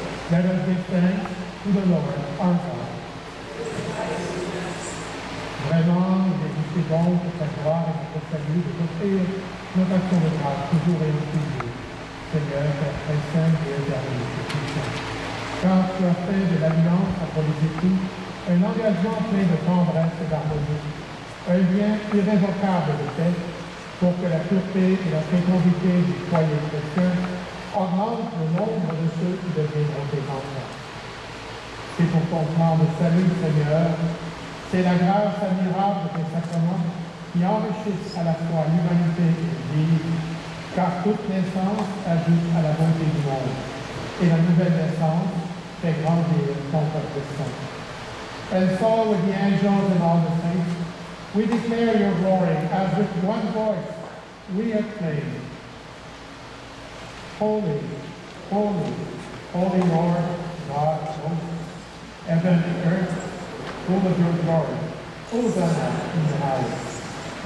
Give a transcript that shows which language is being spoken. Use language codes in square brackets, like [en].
[en] Let us give thanks to the Lord, our God. [fr] Vraiment, il est juste bon pour ta gloire et pour ta salut de t'offrir notre action de grâce, toujours et toujours. Seigneur, Père très saint, Dieu dernier, c'est tout ça. Car tu as fait de l'alliance entre les époux un engagement plein de tendresse et d'harmonie, un lien irrévocable de paix pour que la pureté et la fécondité du foyer chrétien augmentent le nombre de ceux qui deviendront des enfants. C'est pour ton plan de salut, Seigneur. C'est la grâce admirable des sacrements qui enrichissent à la fois l'humanité et l'Église, car toute naissance ajoute à la bonté du monde, et la nouvelle naissance fait grandir ton peuple saint. [en] And so, with the angels and all the saints, we declare your glory as with one voice we acclaim. Holy, holy, holy Lord, God, heaven and earth, full of your glory, Hosanna in the highest.